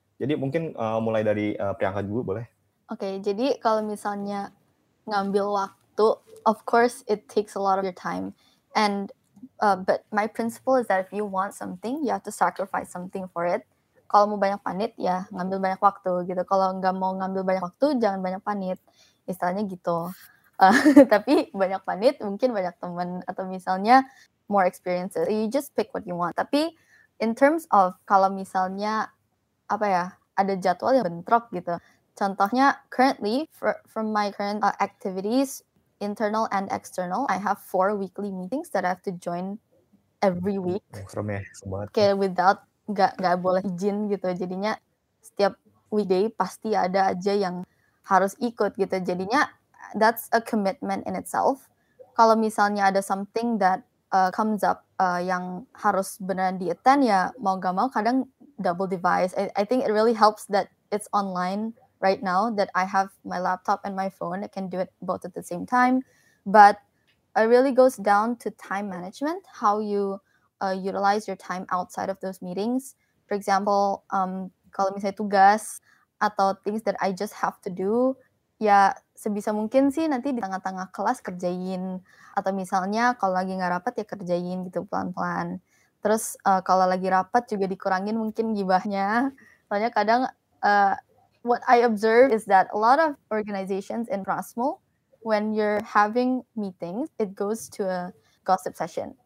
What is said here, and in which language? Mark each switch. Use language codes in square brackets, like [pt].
[id] Jadi mungkin mulai dari Priyanka dulu, boleh? [en] Okay, [id] jadi kalau misalnya ngambil waktu, [en] so of course it takes a lot of your time, and but my principle is that if you want something, you have to sacrifice something for it. [id] Kalau mau banyak panit, ya ngambil banyak waktu gitu. Kalau nggak mau ngambil banyak waktu, jangan banyak panit, istilahnya gitu. Tapi banyak panit mungkin banyak teman, atau misalnya [en] more experiences. You just pick what you want. [id] Tapi [en] in terms of [id] kalau misalnya apa ya, ada jadwal yang bentrok gitu. [en] Contohnya, currently, from my current activities, internal and external, I have 4 weekly meetings that I have to join every week. [id] Serem ya, serem banget. Kayak [en] without, [id] gak boleh izin gitu. Jadinya, setiap weekday pasti ada aja yang harus ikut gitu. Jadinya, [en] that's a commitment in itself. [id] Kalau misalnya ada [en] something that comes up [id] yang harus beneran di-attend, ya mau gak mau kadang [en] double device. I think it really helps that it's online right now, that I have my laptop and my phone. I can do it both at the same time. But it really goes down to time management, how you utilize your time outside of those meetings. For example, [id] kalau misalnya tugas atau [en] things that I just have to do, [id] ya sebisa mungkin sih nanti di tengah-tengah kelas kerjain. Atau misalnya kalau lagi gak rapat ya kerjain gitu pelan-pelan. Terus kalau lagi rapat juga dikurangin mungkin gibahnya. Soalnya kadang [en] what I observe is that a lot of organizations in Prasmo, when you're having meetings, it goes to a gossip session.